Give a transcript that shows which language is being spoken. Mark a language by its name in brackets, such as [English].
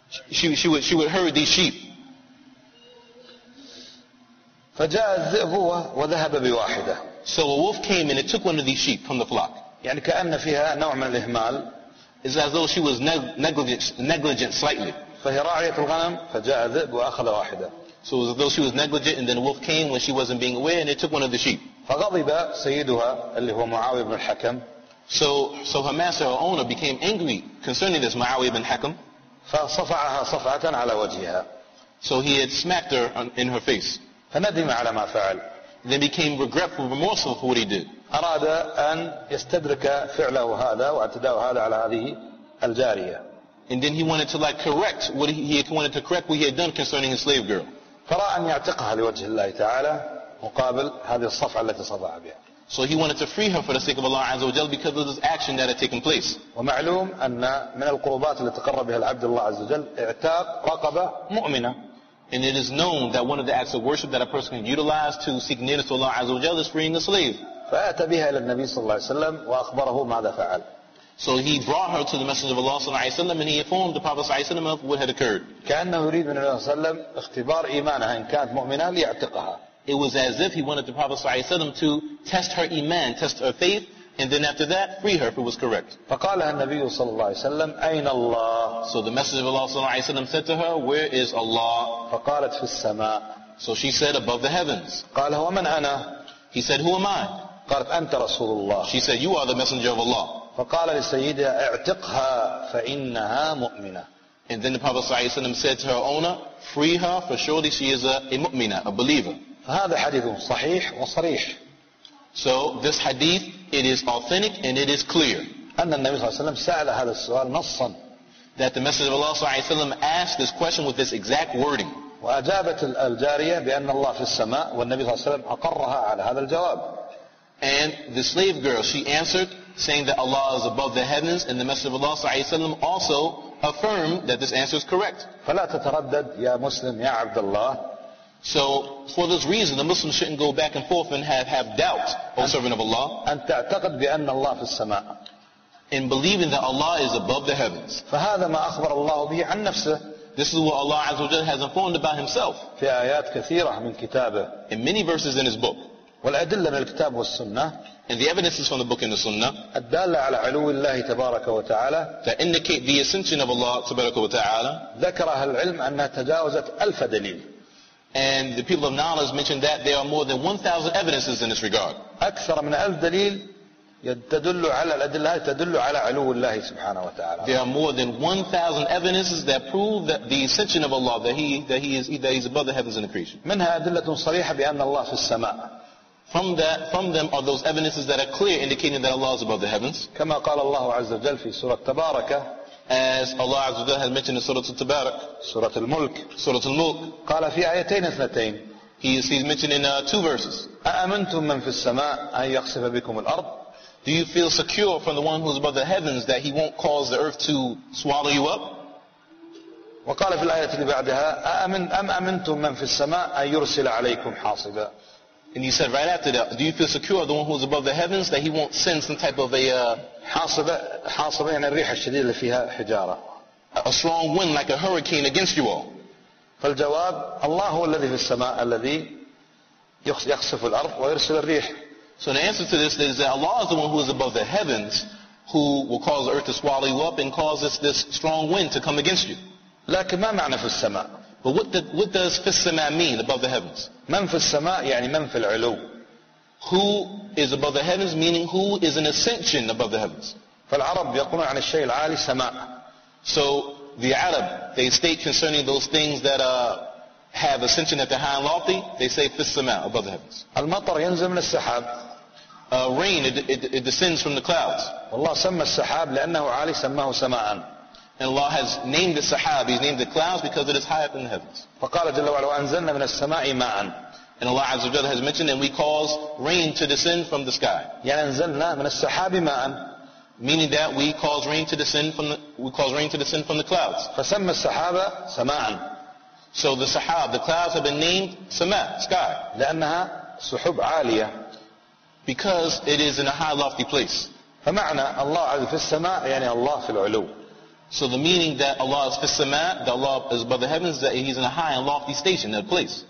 [English] She would herd these sheep. [Arabic] فجاء الذئب وذهب بواحدة. [English] So a wolf came and it took one of these sheep from the flock. [Arabic] يعني كأن فيها نوع من الإهمال. [English] It's as though she was negligent slightly. [Arabic] فهي راعية الغنم فجاء الذئب وأخذ واحدة. [English] So it was as though she was negligent and then a wolf came when she wasn't being aware and it took one of the sheep. [Arabic] فغضب سيدها اللي هو معاوية بن الحكم. [English] So her master, her owner, became angry concerning this Muawiyah bin Hakam. [Arabic] فصفعها صفعة على وجهها. [English] So he had smacked her in her face. [Arabic] فندم على ما فعل. [English] Then became regretful, remorseful for what he did. [Arabic] أراد أن يستدرك فعله هذا واعتداءه هذا على هذه الجارية. [English] And then he wanted to like correct what he had done concerning his slave girl. [Arabic] فرأى أن يعتقها لوجه الله تعالى مقابل هذه الصفعة التي صفع بها. [English] So he wanted to free her for the sake of Allah Azza wa Jalla because of this action that had taken place. [Arabic] ومعلوم أن من القربات التي تقرب بها العبد الله عز وجل اعتاق رقبة مؤمنة. [English] And it is known that one of the acts of worship that a person can utilize to seek nearness to Allah Azza wa Jalla is freeing the slave. [Arabic] فأتى بها إلى النبي صلى الله عليه وسلم وأخبره ماذا فعل. [English] So he brought her to the Messenger of Allah [Arabic] صلى الله عليه وسلم [English] and he informed the Prophet صلى الله عليه وسلم of what had occurred. [Arabic] كأنه يريد من النبي صلى الله عليه وسلم اختبار إيمانها إن كانت مؤمنة ليعتقها. [English] It was as if he wanted the Prophet [Arabic] صلى الله عليه وسلم [English] to test her iman, test her faith, and then after that free her if it was correct. [Arabic] فقالها النبي صلى الله عليه وسلم أين الله؟ [English] So the Messenger of Allah [Arabic] صلى الله عليه وسلم [English] said to her, where is Allah? [Arabic] فقالت في السماء. [English] So she said, above the heavens. [Arabic] قال هو من أنا؟ [English] He said, who am I? [Arabic] قالت أنت رسول الله. [English] She said, you are the Messenger of Allah. [Arabic] فقال لسيدها اعتقها فإنها مؤمنة. [English] And then the Prophet [Arabic] صلى الله عليه وسلم [English] said to her owner, free her for surely she is a mu'mina, a believer. [Arabic] هذا حديث صحيح وصريح. [English] So this hadith, it is authentic and it is clear. [Arabic] أن النبي صلى الله عليه وسلم سأل هذا السؤال نصا. [English] That the Messenger of Allah [Arabic] صلى الله عليه وسلم [English] asked this question with this exact wording. [Arabic] وأجابت الجارية بأن الله في السماء والنبي صلى الله عليه وسلم أقرها على هذا الجواب. [English] And the slave girl, she answered saying that Allah is above the heavens and the Messenger of Allah [Arabic] صلى الله عليه وسلم [English] also affirmed that this answer is correct. [Arabic] فلا تتردد يا مسلم يا عبد الله. [English] So for this reason, the Muslim shouldn't go back and forth and have doubt, O servant of Allah. [Arabic] أن تعتقد بأن الله في السماء. [English] In believing that Allah is above the heavens. [Arabic] فهذا ما أخبر الله به عن نفسه. [English] This is what Allah [Arabic] عز وجل [English] has informed about himself. [Arabic] في آيات كثيرة من كتابه. [English] In many verses in his book. [Arabic] والأدلة من الكتاب والسنة. [English] And the evidences from the book and the Sunnah. [Arabic] الدالة على علو الله تبارك وتعالى. [English] That indicate the ascension of Allah [Arabic] تبارك وتعالى. ذكر أهل العلم أنها تجاوزت ألف دليل. [English] And the people of knowledge mentioned that there are more than 1,000 evidences in this regard. [Arabic] أكثر من ألف دليل يدل على الأدلة تدل على علو الله سبحانه وتعالى. [English] There are more than 1,000 evidences that prove that the ascension of Allah, that he is above the heavens and the creation. [Arabic] منها أدلة صريحة بأن الله في السماء. [English] From them are those evidences that are clear indicating that Allah is above the heavens. [Arabic] كما قال الله عز وجل في سورة تبارك. [English] As Allah [Arabic] عز وجل [English] has mentioned in Surah Al-Tabarak, Surah Al-Mulk, Surah Al-Mulk, [Arabic] قال في آيتين اثنتين. [English] He's mentioning two verses. [Arabic] أأمنتم من في السماء أن يقصف بكم الأرض؟ [English] Do you feel secure from the one who is above the heavens that he won't cause the earth to swallow you up? [Arabic] وقال في الآية اللي بعدها أأمنتم من في السماء أن يرسل عليكم حاصبا؟ [English] And he said right after that, do you feel secure the one who is above the heavens that he won't send some type of [Arabic] حاصبة يعني الريح الشديدة اللي فيها حجارة. [English] A strong wind like a hurricane against you all. [Arabic] فالجواب الله هو الذي في السماء الذي يخسف الأرض ويرسل الريح. [English] So the answer to this is that Allah is the one who is above the heavens who will cause the earth to swallow you up and cause this strong wind to come against you. [Arabic] لكن ما معنى في السماء؟ [English] But what does [Arabic] في السماء [English] mean above the heavens? [Arabic] من في السماء يعني من في العلو. [English] Who is above the heavens, meaning who is an ascension above the heavens. [Arabic] فالعرب يقولون عن الشيء العالي سماء. [English] So the Arab, they state concerning those things that have ascension at the high and lofty, they say [Arabic] في السماء, [English] above the heavens. [Arabic] المطر ينزل من السحاب. [English] Rain, it descends from the clouds. [Arabic] والله سمى السحاب لأنه عالي سماه سماء. [English] And Allah has named the sahab, He's named the clouds because it is high up in the heavens. [Arabic] فقال جل وعلا وأنزلنا من السماء ماء. [English] And Allah [Arabic] عز وجل [English] has mentioned and we cause rain to descend from the sky. [Arabic] يعني أنزلنا من السحاب ماء. [English] Meaning that we cause rain to descend from the clouds. [Arabic] فسمى السحابة سماء. [English] So the sahab, the clouds have been named سماء, sky. [Arabic] لأنها سحب عالية. [English] Because it is in a high lofty place. [Arabic] فمعنى الله عز في السماء يعني الله في العلو. [English] So the meaning that Allah is [Arabic] في السماء, [English] that Allah is above the heavens, that He's in a high and lofty station, that place.